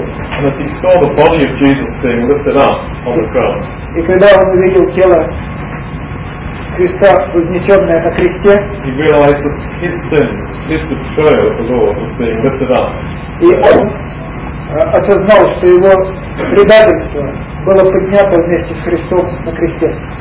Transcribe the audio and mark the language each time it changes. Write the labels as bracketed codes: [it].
[en] And as he saw the body of Jesus being lifted up on the cross. [ru] И когда он увидел тело Христа, вознесенное на кресте, [en] he realized that his sins, his betrayal of the Lord, was being lifted up. [ru] И он осознал, что его предательство было поднято вместе с Христом на кресте.